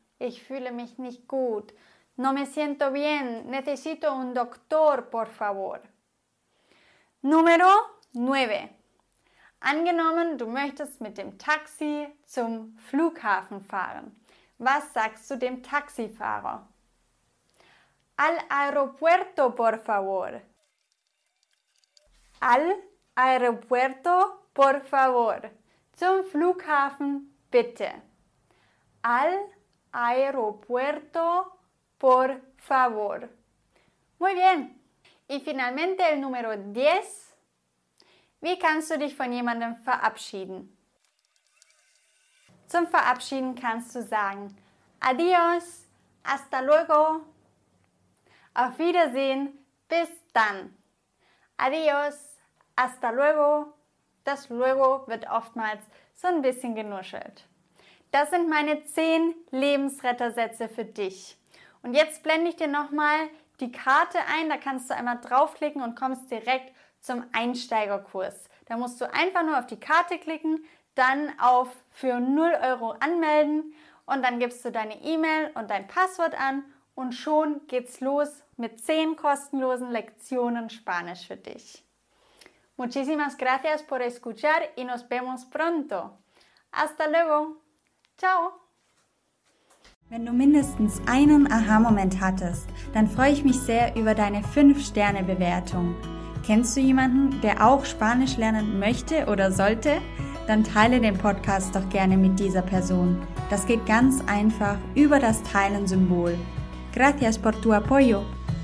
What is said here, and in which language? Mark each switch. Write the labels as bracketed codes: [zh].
[de] Ich fühle mich nicht gut. [es] No me siento bien. Necesito un doctor, por favor. Número 9. [de] Angenommen, du möchtest mit dem Taxi zum Flughafen fahren. Was sagst du dem Taxifahrer? [es] Al aeropuerto, por favor. Al aeropuerto, por favor. [de] Zum Flughafen, bitte. [es] Al aeropuerto, por favor. Muy bien. Y finalmente el número 10. [de] Wie kannst du dich von jemandem verabschieden? Zum Verabschieden kannst du sagen [es] Adios, hasta luego. [de] Auf Wiedersehen, bis dann. [es] Adios, hasta luego. [de] Das luego wird oftmals so ein bisschen genuschelt. Das sind meine 10 Lebensrettersätze für dich. Und jetzt blende ich dir nochmal die Karte ein. Da kannst du einmal draufklicken und kommst direkt zum Einsteigerkurs. Da musst du einfach nur auf die Karte klicken, dann auf für 0 Euro anmelden und dann gibst du deine E-Mail und dein Passwort an und schon geht's los mit 10 kostenlosen Lektionen Spanisch für dich. [es] Muchísimas gracias por escuchar y nos vemos pronto. Hasta luego. Ciao. [de] Wenn du mindestens einen Aha-Moment hattest, dann freue ich mich sehr über deine 5-Sterne-Bewertung. Kennst du jemanden, der auch Spanisch lernen möchte oder sollte? Dann teile den Podcast doch gerne mit dieser Person. Das geht ganz einfach über das Teilen-Symbol. [es] Gracias por tu apoyo.